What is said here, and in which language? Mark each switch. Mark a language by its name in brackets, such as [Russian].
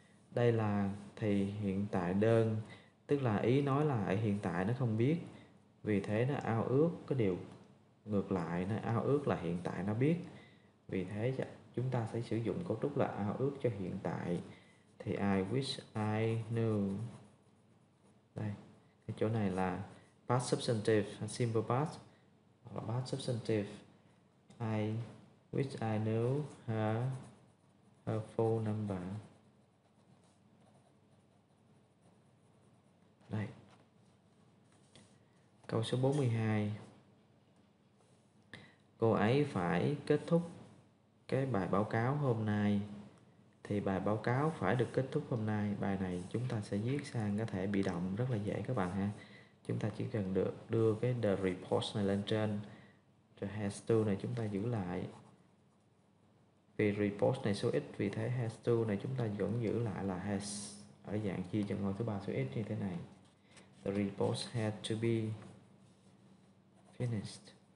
[Vietnamese] Đây là thì hiện tại đơn, tức là ý nói là hiện tại nó không biết, vì thế nó ao ước cái điều ngược lại, nó ao ước là hiện tại nó biết. Vì thế chúng ta sẽ sử dụng cấu trúc là ao ước cho hiện tại. [English] Thì I wish I knew. [Vietnamese] Đây, cái chỗ này là [English] past substantive, simple past, [Vietnamese] hoặc là [English] past substantive. I wish I knew her full number. [Vietnamese] Đây. Câu số 42. Cô ấy phải kết thúc cái bài báo cáo hôm nay. Thì bài báo cáo phải được kết thúc hôm nay. Bài này chúng ta sẽ viết sang cái thể bị động rất là dễ các bạn ha. Chúng ta chỉ cần được đưa cái the report này lên trên. Rồi has to này chúng ta giữ lại. Vì report này số ít, vì thế has to này chúng ta vẫn giữ lại là has, ở dạng chia cho ngôi thứ ba số ít như thế này. [English] The report had to be finished.